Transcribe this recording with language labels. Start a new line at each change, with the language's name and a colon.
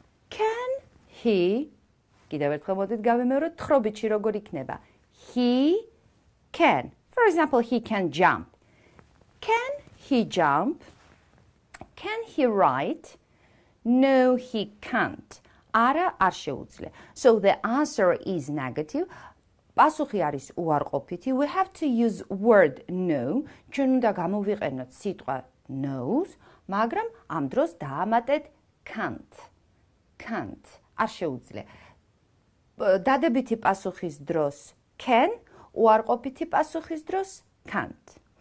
English: Can he?
Georgian: კიდევ ერთხელ მოდით გავიმეოროთ თხრობიში როგორ იქნება.
English: He can. For example, he can jump. Can he jump? Can he write? No, he can't.
Georgian: Ara არ შეუძლია.
English: So the answer is negative.
Georgian: Პასუხი არის უარყოფითი.
English: We have to use word no.
Georgian: ჩვენ უნდა გამოვიყენოთ სიტყვა no-ს, მაგრამ ამ დროს დაამატეთ can't. Can't. არ შეუძლია. დადებითი პასუხის დროს can, უარყოფითი პასუხის დროს can't.